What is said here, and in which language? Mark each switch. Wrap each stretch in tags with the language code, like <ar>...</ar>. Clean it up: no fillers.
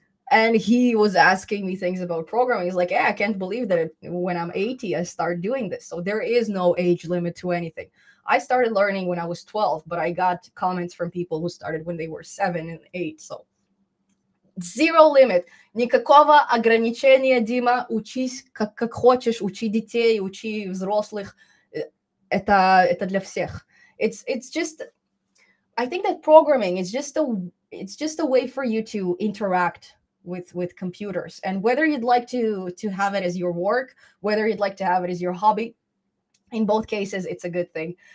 <en>And he was asking me things about programming. He's like, "Yeah, I can't believe that when I'm 80, I start doing this." So there is no age limit to anything. I started learning when I was 12, but I got comments from people who started when they were 7 and 8. So zero limit.</en> <ru>Никакого ограничения, Дима. Учись как хочешь, учи детей, учи взрослых. Это для всех.</ru> <en>It's just, I think that programming is just a way for you to interact with computers. And whether you'd like to have it as your work, whether you'd like to have it as your hobby, in both cases, it's a good thing.</en>